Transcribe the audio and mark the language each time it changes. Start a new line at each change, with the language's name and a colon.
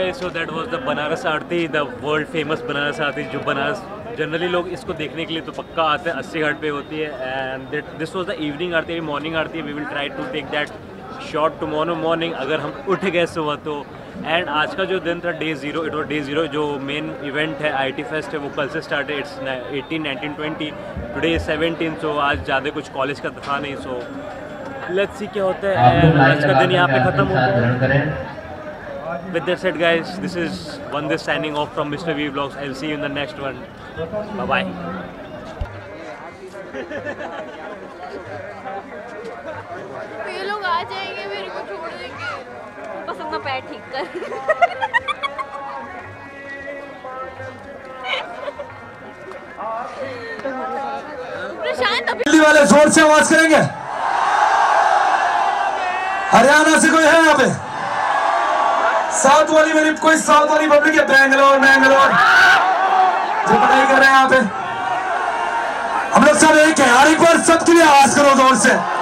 Hindi: Famous Banaras आरती, जो Banaras generally लोग इसको देखने के लिए तो पक्का आते हैं, अस्सी घाट पे होती है
English: and this was the evening aarti,
Hindi: अभी मॉर्निंग आरती है,
English: we will try to take that shot tomorrow morning
Hindi: अगर हम उठ गए सुबह तो, एंड आज का जो दिन था day zero,
English: it was day zero,
Hindi: जो मेन इवेंट है आईटी फेस्ट है वो कल से स्टार्ट है, इट्स 18, 19, 20, टुडे 17, सो आज ज़्यादा कुछ कॉलेज का था नहीं,
English: so let's see
Hindi: क्या होता है, आज का दिन यहाँ पे ख़त्म हो।
English: With that said guys, this is Vandit signing off from Mr. V Vlogs. I'll see you in the next one. Bye bye.
Hindi: ये लोग आ जाएंगे मेरे को छोड़ देंगे, बस अपना पैर ठीक कर। दिल्ली वाले जोर से आवाज करेंगे, हरियाणा से कोई है यहाँ पे, साउथ वाली मेरी कोई साउथ वाली पब्लिक है, बैंगलोर बैंगलोर जो पढ़ाई कर रहे हैं यहाँ पे, हम लोग सब एक है यार, एक बार सबके लिए आवाज करो जोर से।